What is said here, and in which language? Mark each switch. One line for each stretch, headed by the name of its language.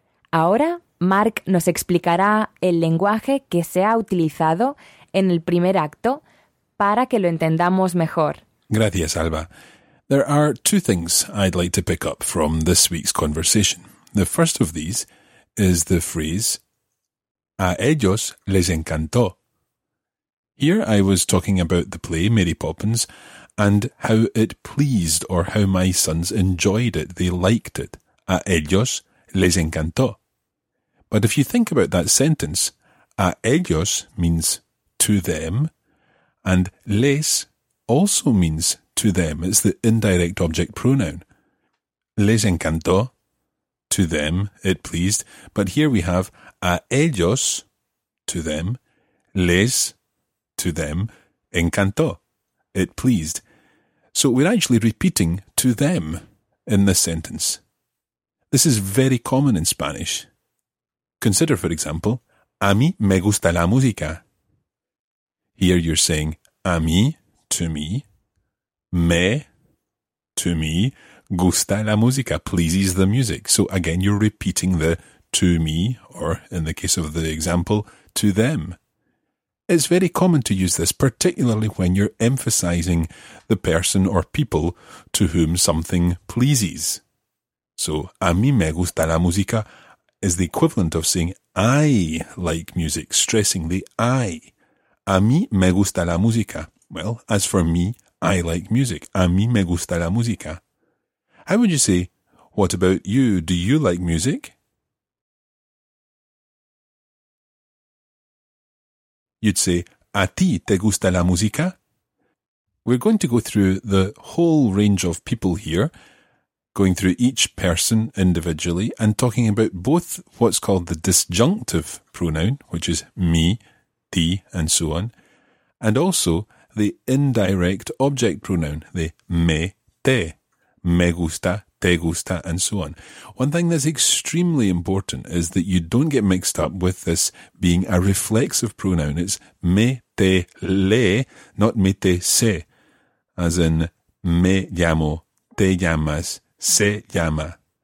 Spanish: Ahora, Mark nos explicará el lenguaje que se ha utilizado en el primer acto para que lo entendamos mejor. Gracias, Alba.
English: There are two things I'd like to pick up from this week's conversation. The first of these is the phrase,
Spanish: a ellos les encantó.
English: Here I was talking about the play Mary Poppins, and how it pleased, or how my sons enjoyed it. They liked it.
Spanish: A ellos les encantó.
English: But if you think about that sentence, a ellos means to them, and les also means to them. It's the indirect object pronoun.
Spanish: Les encantó,
English: to them, it pleased. But here we have a ellos, to them, les, to them, encantó, it pleased. So we're actually repeating to them in this sentence. This is very common in Spanish. Consider, for example,
Spanish: a mí me gusta la música.
English: Here you're saying a mí, to me, to me,
Spanish: gusta la música,
English: pleases the music. So again, you're repeating the to me, or in the case of the example, to them. It's very common to use this, particularly when you're emphasizing the person or people to whom something pleases. So,
Spanish: a mí me gusta la música
English: is the equivalent of saying I like music, stressing the I.
Spanish: A mí me gusta la música.
English: Well, as for me, I like music.
Spanish: A mí me gusta la música.
English: How would you say, what about you? Do you like music? You'd say,
Spanish: ¿a ti te gusta la música?
English: We're going to go through the whole range of people here, going through each person individually and talking about both what's called the disjunctive pronoun, which is me, ti, and so on, and also the indirect object pronoun, the me, te, me gusta, te gusta, and so on. One thing that's extremely important is that you don't get mixed up with this being a reflexive pronoun. It's me, te, le, not me, te, se. As in,
Spanish: me llamo, te llamas, se llama.